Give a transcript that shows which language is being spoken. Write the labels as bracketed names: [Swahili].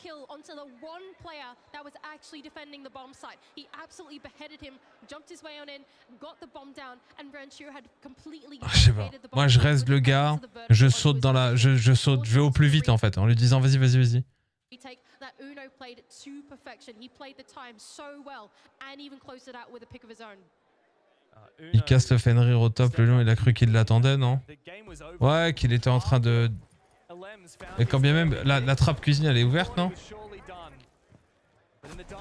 [English] Onto the one player that was actually defending the bomb site. He absolutely beheaded him, jumped his way on in, got the bomb down, and Renshiro had completely [French] oh, je sais pas. Moi je reste le gars, je saute dans la je saute, je vais au plus vite en fait, en lui disant vas-y, vas-y, vas-y. [English] That Uno played to perfection. He played the time so well and even closed it out with a pick of his own. [French] Il casse le Fenrir au top, le lion, il a cru qu'il l'attendait, non? Ouais, qu'il était en train de. Et quand bien même, la trappe cuisine elle est ouverte, non? Ouf.